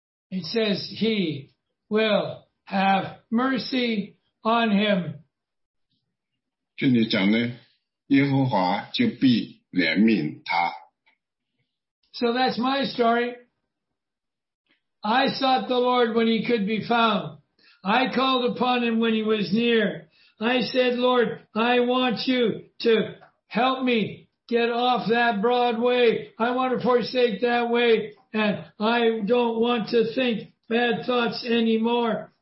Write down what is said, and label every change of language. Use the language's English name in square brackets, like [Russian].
[English] It says he will have mercy on him. [Chinese] 这里讲呢，耶和华就必怜悯他。 [English] So that's my story. I sought the Lord when he could be found. I called upon him when he was near. I said, Lord, I want you to help me get off that broad way. I want to forsake that way, and I don't want to think bad thoughts anymore.